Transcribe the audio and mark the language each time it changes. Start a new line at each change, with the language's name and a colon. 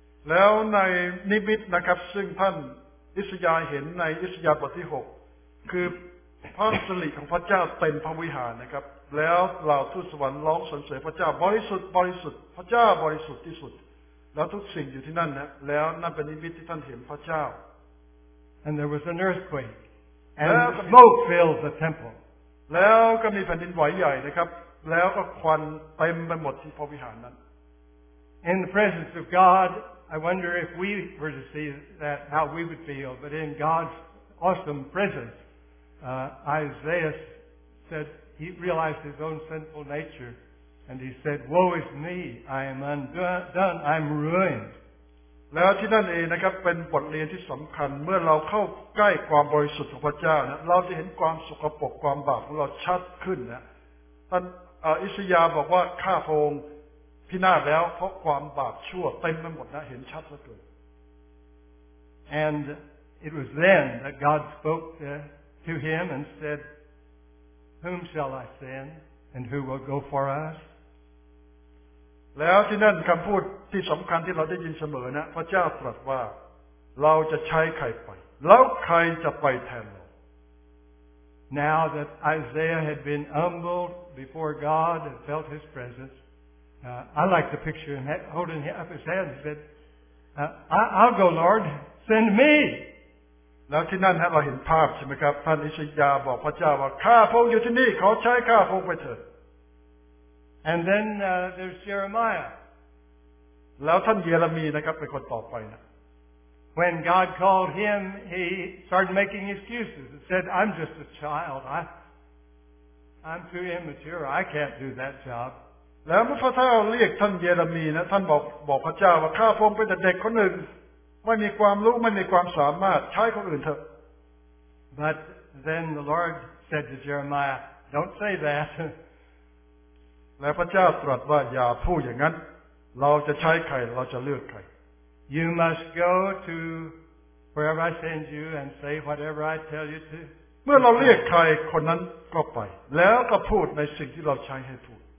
Thai: แล้วในนิมิตนะครับซึ่งท่านอิสยาห์เห็นในอิสยาห์บทที่6คือพระสิริของพระเจ้าเต็มพระวิหารนะครับแล้วเหล่าทูตสวรรค์ร้องสรรเสริญพระเจ้าบริสุทธิ์บริสุทธิ์พระเจ้าบริสุทธิ์ที่สุดแล้วทุกสิ่งอยู่ที่นั่นนะแล้วนั่นเป็นนิมิตที่ท่านเห็นพระเจ้า
English: And there was an earthquake and smoke filled the temple
Thai: แล้วก็มีแผ่นดินไหวใหญ่นะครับแล้วก็ควันเต็มไปหมดที่พระวิหารนั้น
English: In the presence of GodI wonder if we were to see that how we would feel, but in God's awesome presence, Isaiah said he realized his own sinful nature, and he said, "Woe is me! I am undone. I'm ruined."
Thai: แล้วที่นั่นเองนะครับเป็นบทเรียนที่สำคัญเมื่อเราเข้าใกล้ความบริสุทธิ์ของพระเจ้านะเราจะเห็นความสกปรกความบาปของเราชัดขึ้นนะท่านอิสยาห์บอกว่าข้าพระองค์พินาศแล้วเพราะความบาปชั่วเต็มไปหมดนะเห็นชัดเลย
English: And it was then that God spoke to him and said, "Whom shall I send, and who will go for us?"
Thai: แล้วที่นั่นคำพูดที่สำคัญที่เราได้ยินเสมอนะพระเจ้าตรัสว่าเราจะใช้ใครไปแล้วใครจะไปแทนเรา
English: Now that Isaiah had been humbled before God and felt His presenceI like the picture of him holding up his hand and said, I'll go, Lord. Send me.
Thai: แล้วที่นั่นฮะเราเห็นภาพใช่ไหมครับท่านอิสยาห์บอกพระเจ้าว่าข้าพระองค์อยู่ที่นี่ขอใช้ข้าพระองค์ไปเถิด
English: And then there's Jeremiah.
Thai: แล้วท่านเยเรมีย์นะครับเป็นคนต่อไปนะ
English: When God called him, he started making excuses and said, I'm just a child. I'm too immature. I can't do that job.
Thai: แล้วพระเจ้าเรียกท่านเยเรมีย์นะท่านบอกพระเจ้าว่าข้าพระองค์เป็นแต่เด็กคนหนึ่งไม่มีความรู้ไม่มีความสามารถใช้คนอื่นเถอะ
English: But then the Lord said to Jeremiah, "Don't say that."
Thai: และพระเจ้าตรัสว่าอย่าพูดอย่างนั้นเราจะใช้ใครเราจะเลือกใคร
English: You must go to wherever I send you and say whatever I tell you to.
Thai: เมื่อเราเรียกใครคนนั้นก็ไปแล้วก็พูดในสิ่งที่เราใช้ให้พูด